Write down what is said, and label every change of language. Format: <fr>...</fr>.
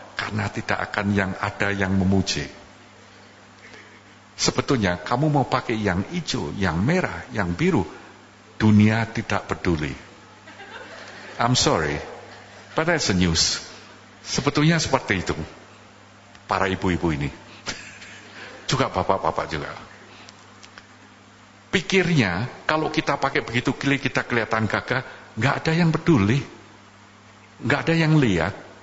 <id>Karena tidak akan yang ada yang memuji. Sebetulnya kamu mau pakai yang hijau, yang merah, yang biru, dunia tidak peduli.</id> <en>I'm sorry, but that's the news.</en> <id>Sebetulnya seperti itu. Para ibu-ibu ini juga, bapak-bapak juga, pikirnya kalau kita pakai begitu kita kelihatan gagah, gak ada yang peduli, gak ada yang lihat.</id>